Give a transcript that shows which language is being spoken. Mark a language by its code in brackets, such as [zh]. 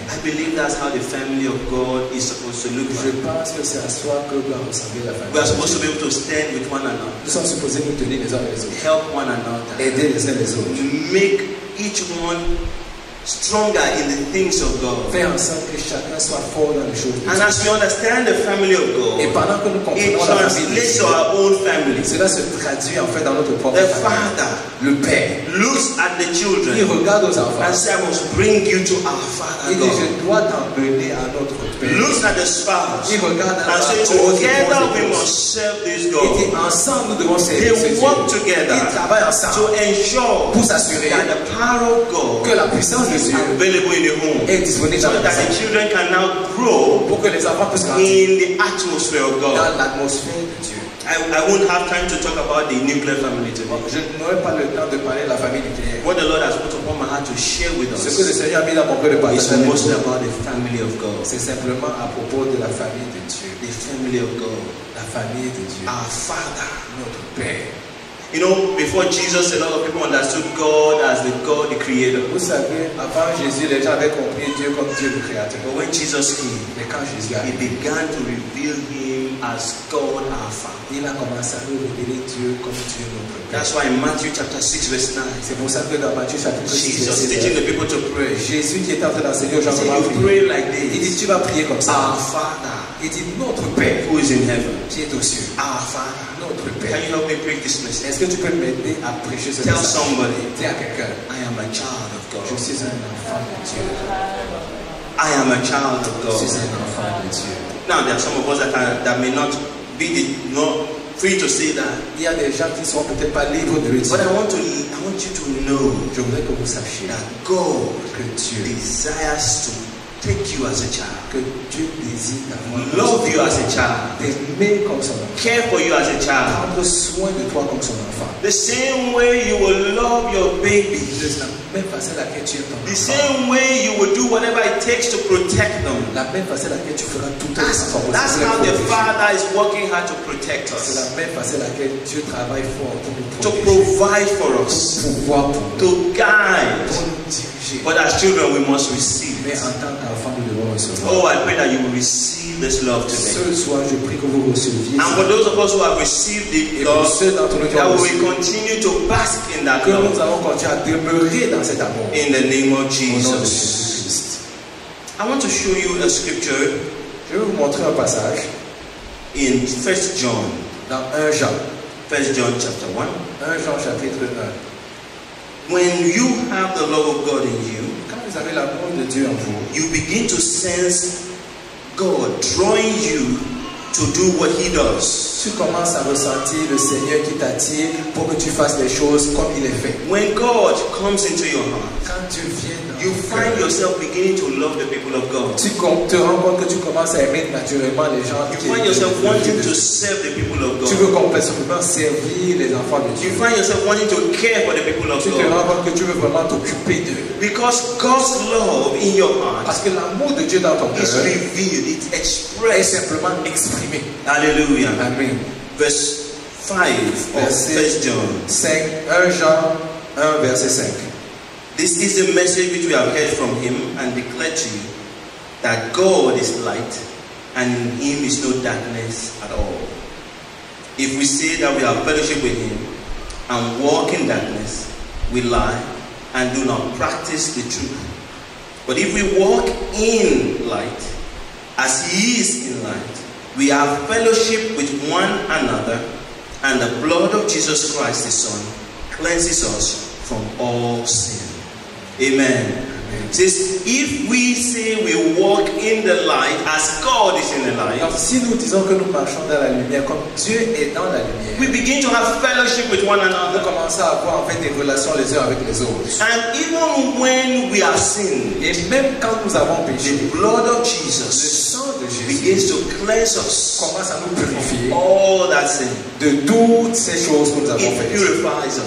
[en] I believe that's how the family of God is supposed to look. [fr] Je pense que c'est à soi que doit ressembler la famille. [en] We are supposed to be able to stand with one another. [fr] Nous sommes supposés nous tenir les uns les autres. [en] Help one another. [fr] Aider les uns les autres. [en] Make each one stronger in the things of God. [fr] Faire en sorte que chacun soit fort dans les choses. [en] And as we understand the family of God, [fr] et pendant que nous comprenons la famille, [en] it translates to our own family. [fr] Cela se traduit en fait dans notre propre famille. [en] The Father, [fr] le Père, [en] looks at the children. [fr] Il regarde aux enfants. [en] And says, "I must bring you to our Father." [fr] Il dit, je dois t'emmener à notre Père. [en] Looks at the spouse. [fr] Il regarde à la femme. [en] And says, "Together we must serve this God." [fr] Il dit, ensemble nous devons servir ce Dieu. [en] They work together. [fr] Ils travaillent ensemble. [en] To ensure, [fr] pour s'assurer, [en] that the power of God, [fr] que la puissance de Dieu [en] available in the home, [fr] est disponible [en] so that the children can now grow, [fr] pour que les enfants puissent grandir, [en] in the atmosphere of God, [fr] dans l'atmosphère de Dieu. [en] I won't have time to talk about the nuclear family today. [fr] Je n'aurai pas le temps de parler de la famille nucléaire. [en] What the Lord has put upon my heart to share with us, [fr] ce que le Seigneur a mis dans mon cœur de partager, [en] is mostly about the family of God. [fr] C'est simplement à propos de la famille de Dieu. [en] The family of God. [fr] La famille de Dieu. [en] Our Father, [fr] notre Père. [en] You know, before Jesus, a lot of people understood God as the God, the Creator. [fr] Vous savez, avant Jésus, les gens avaient compris Dieu comme Dieu le Créateur. [en] But when Jesus came, [fr] mais quand Jésus arrive, [en] He began to reveal Him as God our Father. [fr] Il a commencé à nous révéler Dieu comme Dieu notre Père. [en] That's why in Matthew chapter 6 verse 9, [fr] c'est pour ça que dans Matthieu chapitre 6, [en] Jesus teaching the people to pray. [fr] Jésus qui est en train d'enseigner aux gens comment prier. [en] Pray like this. [fr] Il dit, tu vas prier comme ça. [en] Our Father. [fr] Il dit, notre Père, [en] who is in heaven, [fr] qui est aux cieux. [en] Our Father. [fr] Notre Père. [en] Can you help me preach this message? [fr] Est-ce que tu peux m'aider à prêcher ce [en] message? Tell somebody, [fr] dis à quelqu'un, [en] I am a child of God. [fr] Je suis un enfant de Dieu. [en] I am a child of God. [fr] Je suis un enfant de Dieu. [en] Now there are some of us that may not be the, not free to say that. [fr] Il y a des gens qui sont peut-être pas libres de le dire. [en] But I want you to know. [fr] Je voudrais que vous sachiez [en] that God, [fr] que Dieu, [en] desires to take you as a child. [fr] Que Dieu désire d'avoir. [en] Love you as a child. [fr] T'aimer comme son enfant. [en] Care for you as a child. [fr] Prendre soin de toi comme son enfant. [en] The same way you will love your baby. [fr] De la même façon laquelle tu es ton enfant. [en] The same way you will do whatever it takes to protect them. [fr] La même façon laquelle tu feras tout ce qu'il faut. [en] That's how the Father is working hard to protect us. [fr] C'est la même façon laquelle Dieu travaille fort pour nous protéger. [en] To provide for us. [fr] Pour pouvoir pour nous. [en] To guide. But as children, we must receive. [fr] Mais en tant qu'enfant, nous devons recevoir. [en] Oh, I pray that you will receive this love today. [fr] Ce soir, je prie que vous receviez. [en] And for those of us who have received it, Lord, that we continue to bask in that [fr] que [en] love. [fr] Que nous allons continuer à demeurer dans cet amour. [en] In the name of Jesus. [fr] Au nom de Jésus Christ. [en] I want to show you a scripture. [fr] Je vais vous montrer un passage. [en] In 1 John. [fr] Dans 1 Jean. [en] 1 John chapter 1. [fr] 1 Jean chapitre 1. [en] When you have the love of God in you, [fr] quand vous avez l'amour de Dieu en vous, [en] you begin to sense God drawing you to do what He does. [fr] Tu commences à ressentir le Seigneur qui t'attire pour que tu fasses les choses comme il est fait. [en] When God comes into your heart, [fr] quand Dieu vient dans [en] you find [fr] cœur, [en] yourself beginning to love the people of God. [fr] Tu te rends compte que tu commences à aimer naturellement les gens. [en] You find yourself wanting to serve the people of God. [fr] Tu veux complètement servir les enfants de Dieu. [en] You find yourself wanting to care for the people of God. [fr] Tu te rends compte que tu veux vraiment t'occuper d'eux. [en] Because God's love in your heart, [fr] parce que l'amour de Dieu dans ton cœur, [en] is revealed, it's expressed, [fr] est simplement exprimé. Alléluia. Amen. [en] Verse 5 of 1 John 1 verse 5. This is the message which we have heard from him and declared to you, that God is light and in him is no darkness at all. If we say that we have fellowship with him and walk in darkness, we lie and do not practice the truth. But if we walk in light, as he is in light, we have fellowship with one another, and the blood of Jesus Christ, his Son, cleanses us from all sin. Amen. Says, if we say we walk in the light as God is in the light, [fr] alors, si nous disons que nous marchons dans la lumière comme Dieu est dans la lumière, [en] we begin to have fellowship with one another. [fr] Nous commençons à avoir en fait des relations les uns avec les autres. [en] And even when we have sinned, [fr] et même quand nous avons péché, [en] the blood of Jesus, [fr] le sang de Jésus, [en] begins to cleanse us, [fr] commence à nous purifier, [en] all that sin, [fr] de toutes ces choses que nous avons faites. [en] It purifies us.